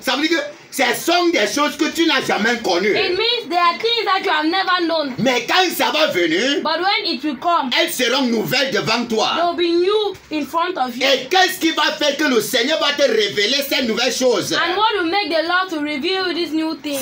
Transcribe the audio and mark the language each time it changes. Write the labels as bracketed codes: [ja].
[fr] Ça veut dire que ce sont des choses que tu n'as jamais connues. [en] It means there are things that you have never known. [fr] Mais quand ça va venir. [en] But when it will come. [fr] Elles seront nouvelles devant toi. [en] They will be new in front of you. [fr] Et qu'est-ce qui va faire que le Seigneur va te révéler ces nouvelles choses? [en] And what will make the Lord to reveal these new things?